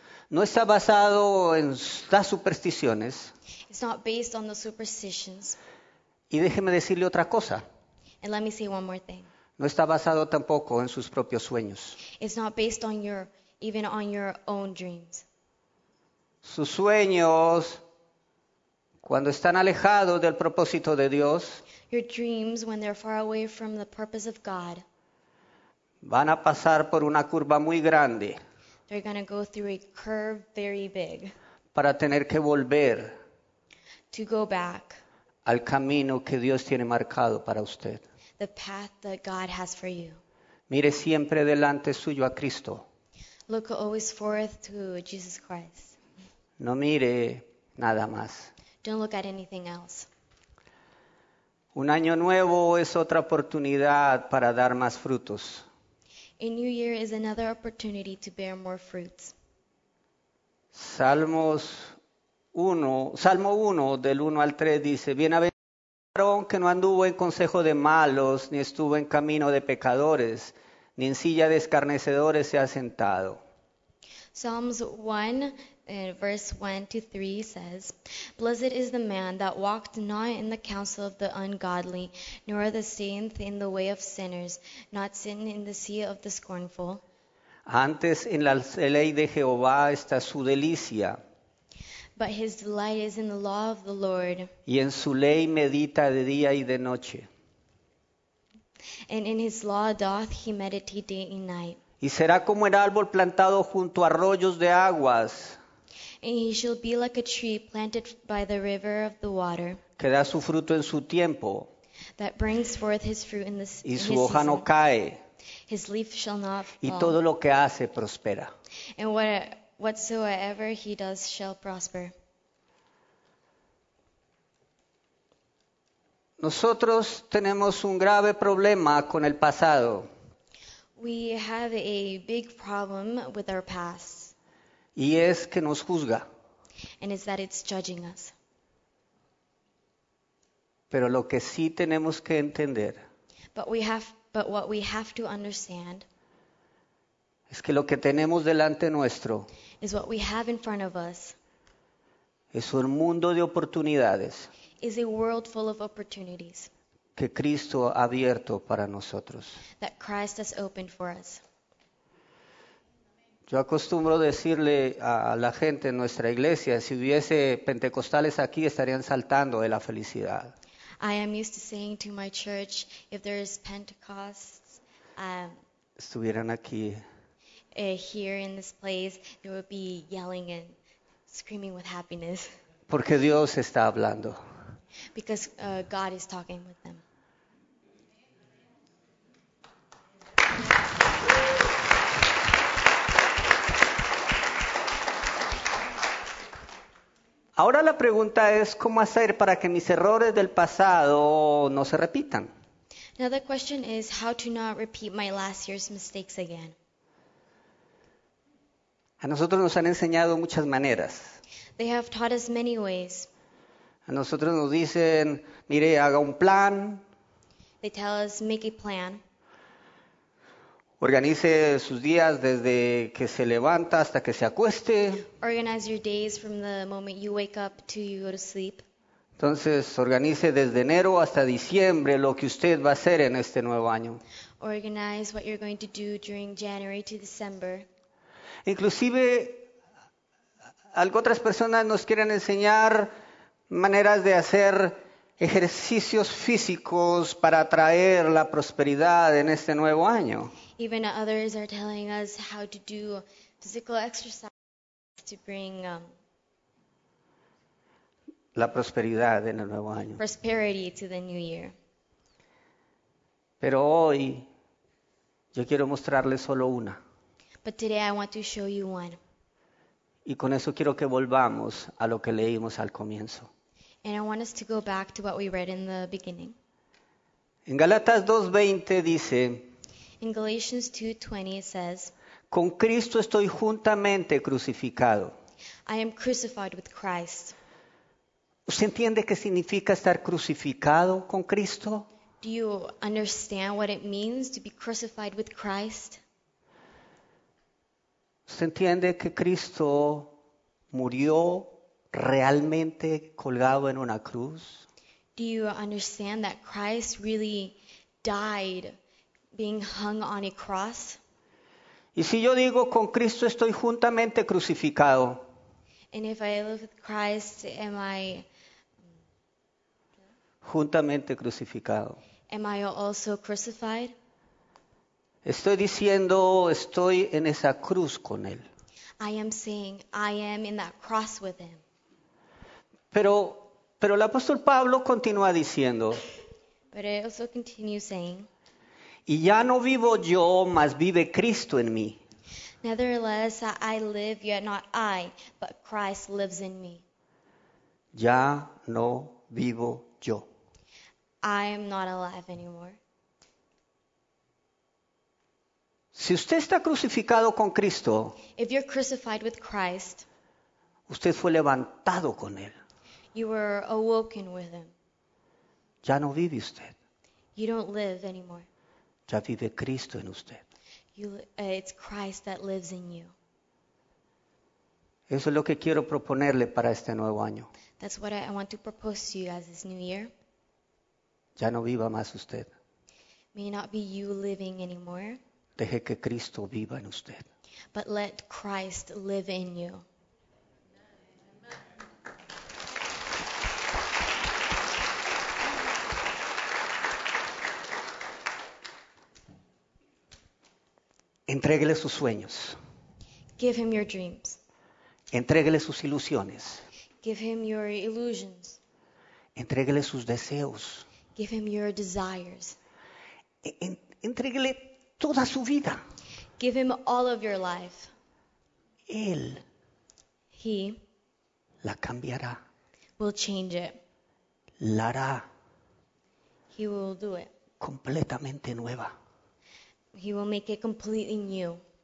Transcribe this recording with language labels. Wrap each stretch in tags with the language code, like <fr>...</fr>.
<es>No está basado en las supersticiones.</es> <en>It's not based on the superstitions.</en> <es>Y déjeme decirle otra cosa.</es> <en>And let me say one more thing.</en> <es>No está basado tampoco en sus propios sueños.</es> <en>It's not based on your, even on your own dreams.</en> <es>Sus sueños, cuando están alejados del propósito de Dios,</es> <en>your dreams, when they're far away from the purpose of God,</en> <es>van a pasar por una curva muy grande.</es> <en>They're going to go through a curve very big.</en> <es>Para tener que volver.</es> <en>To go back.</en> <es>al camino que Dios tiene marcado para usted.</es> <en>The path that God has for you.</en> <es>Mire siempre delante suyo a Cristo.</es> <en>Look always forth to Jesus Christ.</en> <es>No mire nada más.</es> <en>Don't look at anything else.</en> <es>Un año nuevo es otra oportunidad para dar más frutos.</es> <en>A new year is another opportunity to bear more fruits.</en> <es>Salmo 1 del 1 al 3 dice: Bienaventurado varón que no anduvo en consejo de malos, ni estuvo en camino de pecadores, ni en silla de escarnecedores se ha sentado.</es> <en>Psalms 1, verse 1 to 3 says, Blessed is the man that walked not in the counsel of the ungodly, nor the standeth in the way of sinners, not sitting in the seat of the scornful.</en> <es>Antes en la ley de Jehová está su delicia.</es> <en>But his delight is in the law of the Lord.</en> <es>Y en su ley medita de día y de noche.</es> <en>And in his law doth he meditate day and night.</en> <es>Y será como el árbol plantado junto a arroyos de aguas.</es> <en>And he shall be like a tree planted by the river of the water.</en> <es>Que da su fruto en su tiempo.</es> <en>That brings forth his fruit in the season.</en> <es>Y su hoja no cae.</es> <en>His leaf shall not fall.</en> <es>Y todo lo que hace prospera.</es> <en>And whatsoever he does shall prosper.</en> <es>Nosotros tenemos un grave problema con el pasado.</es> <en>We have a big problem with our past.</en> <es>Y es que nos juzga.</es> <en>And it's that it's judging us.</en> <es>Pero lo que sí tenemos que entender.</es> <en>But what we have to understand.</en> <es>Es que lo que tenemos delante nuestro.</es> <en>Is what we have in front of us.</en> <es>Es un mundo de oportunidades.</es> <en>Is a world full of opportunities.</en> <es>Que Cristo ha abierto para nosotros.</es> <en>That Christ has opened for us.</en> <es>Yo acostumbro decirle a la gente en nuestra iglesia, si hubiese pentecostales aquí, estarían saltando de la felicidad.</es> <en>I am used to saying to my church, if there is Pentecosts,</en> <es>estuvieran aquí,</es> <en>here in this place, they would be yelling and screaming with happiness.</en> <es>Porque Dios está hablando.</es> <en>Because God is talking with them.</en> <es>Ahora la pregunta es cómo hacer para que mis errores del pasado no se repitan.</es> <en>Now the question is how to not repeat my last year's mistakes again.</en> <es>A nosotros nos han enseñado muchas maneras.</es> <en>They have taught us many ways.</en> <es>A nosotros nos dicen, mire, haga un plan.</es> <en>They tell us, make a plan.</en> <es>Organice sus días desde que se levanta hasta que se acueste.</es> <en>Organize your days from the moment you wake up to you go to sleep.</en> <es>Entonces, organice desde enero hasta diciembre lo que usted va a hacer en este nuevo año.</es> <en>Organize what you're going to do during January to December.</en> <es>Inclusive, otras personas nos quieren enseñar maneras de hacer ejercicios físicos para atraer la prosperidad en este nuevo año.</es> <en>Even others are telling us how to do physical exercise to bring</en> <es>la prosperidad en el nuevo año.</es> <en>Prosperity to the new year.</en> <es>Pero hoy yo quiero mostrarle solo una.</es> <en>But today I want to show you one.</en> <es>Y con eso quiero que volvamos a lo que leímos al comienzo.</es> <en>And I want us to go back to what we read in the beginning.</en> <es>En Gálatas 2:20 dice,</es> <en>in Galatians 2:20 it says,</en> <es>con Cristo estoy juntamente crucificado.</es> <en>I am crucified with Christ.</en> <es>¿Usted entiende qué significa estar crucificado con Cristo?</es> <en>Do you understand what it means to be crucified with Christ?</en> <es>¿Usted entiende que Cristo murió realmente colgado en una cruz?</es> <en>Do you understand that Christ really died being hung on a cross?</en> <es>Y si yo digo con Cristo estoy juntamente crucificado.</es> <en>And if I live with Christ, am I</en> <es>juntamente crucificado?</es> <en>Am I also crucified?</en> <es>Estoy diciendo estoy en esa cruz con él.</es> <en>I am saying I am in that cross with him.</en> <es>Pero Pero el apóstol Pablo continúa diciendo,</es> <en>but I also continue saying,</en> <es>y ya no vivo yo, mas vive Cristo en mí.</es> <en>Nevertheless, I live, yet not I, but Christ lives in me.</en> <es>Ya no vivo yo.</es> <en>I am not alive anymore.</en> <es>Si usted está crucificado con Cristo,</es> <en>if you're crucified with Christ,</en> <es>usted fue levantado con Él.</es> <en>You were awoken with Him.</en> <es>Ya no vive usted.</es> <en>You don't live anymore.</en> <es>Ya vive Cristo en usted.</es> <en>It's Christ that lives in you.</en> <es>Eso es lo que quiero proponerle para este nuevo año.</es> <en>That's what I want to propose to you as this new year.</en> <es>Ya no viva más usted.</es> <en>May not be you living anymore.</en> <es>Deje que Cristo viva en usted.</es> <en>But let Christ live in you.</en> <es>Entréguele sus sueños.</es> <en>Give him your dreams.</en> <es>Entréguele sus ilusiones.</es> <en>Give him your illusions.</en> <es>Entréguele sus deseos.</es> <en>Give him your desires.</en> <es>Entréguele toda su vida.</es> <en>Give him all of your life.</en> <es>Él.</es> <en>He.</en> <es>La cambiará.</es> <en>Will change it.</en> <es>La hará.</es> <en>He will do it.</en> <es>Completamente nueva.</es> <en>He will make it completely new.</en>